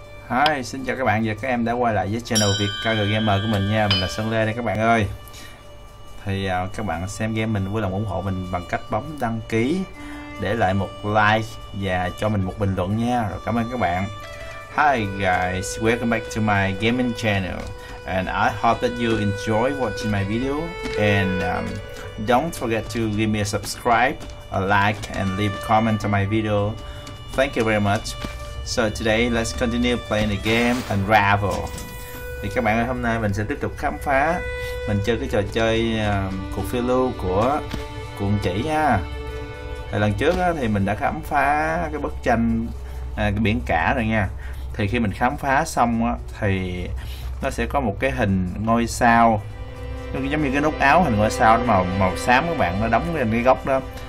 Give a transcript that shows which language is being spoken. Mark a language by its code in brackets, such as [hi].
[vi] Hi, xin chào các bạn và các em đã quay lại với channel Việt Cao Gamer của mình nha. Mình là Sơn Lê đây các bạn ơi. Thì các bạn xem game mình vui lòng ủng hộ mình bằng cách bấm đăng ký, để lại một like và cho mình một bình luận nha. Rồi cảm ơn các bạn. [en] Hi guys, welcome back to my gaming channel. And I hope that you enjoy watching my video. And don't forget to give me a subscribe, a like and leave a comment on my video. Thank you very much. So today let's continue playing the game Unravel. [vi] Thì các bạn ơi, hôm nay mình sẽ tiếp tục khám phá. Mình chơi cái trò chơi cuộc phiêu lưu của cuộn chỉ nha. Thì lần trước á, thì mình đã khám phá cái bức tranh cái biển cả rồi nha. Thì khi mình khám phá xong á, thì nó sẽ có một cái hình ngôi sao, giống như cái nút áo hình ngôi sao đó, màu xám các bạn, nó đóng lên cái góc đó.